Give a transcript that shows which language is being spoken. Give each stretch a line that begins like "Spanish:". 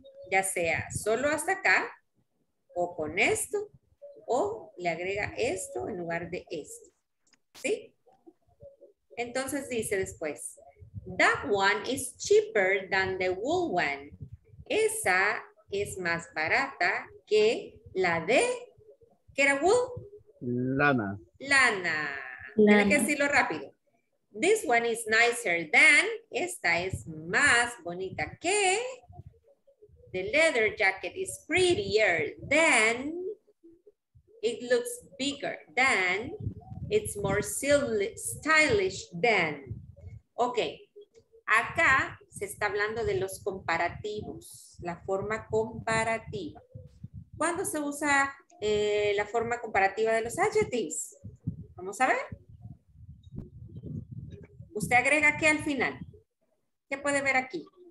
Spanish: Ya sea solo hasta acá o con esto. O le agrega esto en lugar de esto. ¿Sí? Entonces dice después.
English: That one is cheaper than the wool one.
Spanish: Esa es más barata que la de... ¿Qué era wool? Lana. Lana. Lana. Tiene que decirlo rápido.
English: This one is nicer than...
Spanish: Esta es más bonita que...
English: The leather jacket is prettier than... It looks bigger than, it's more stylish than. Ok,
Spanish: acá se se está hablando de los comparativos, la forma comparativa. ¿Cuándo se usa la forma comparativa de los adjectives? Vamos a ver. Usted agrega qué al final. ¿Qué puede ver aquí?